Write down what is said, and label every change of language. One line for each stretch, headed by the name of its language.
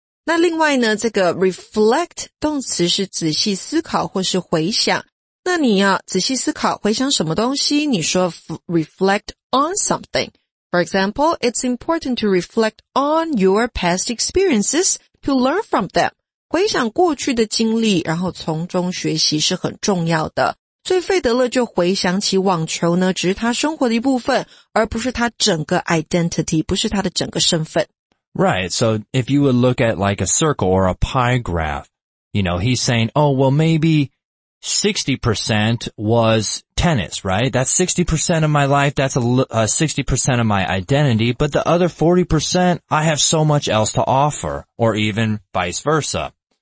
Chinese: 那另外呢，这个 reflect 动词是仔细思考或是回想。那你要仔细思考回想什么东西你说 reflect on something.
English: For example, it's important to reflect on your past experiences to learn from them.
Chinese: 回想过去的经历然后从中学习是很重要的。所以费德勒就回想起网球呢只是他生活的一部分而不是他整个 identity, 不是他的整个身份。
English: Right, so if you would look at like a circle or a pie graph, you know, he's saying, oh, well, maybe... 60% was tennis, right? That's 60% of my life. That's 60% of my identity. But the other 40%, I have so much else to offer, or even vice versa.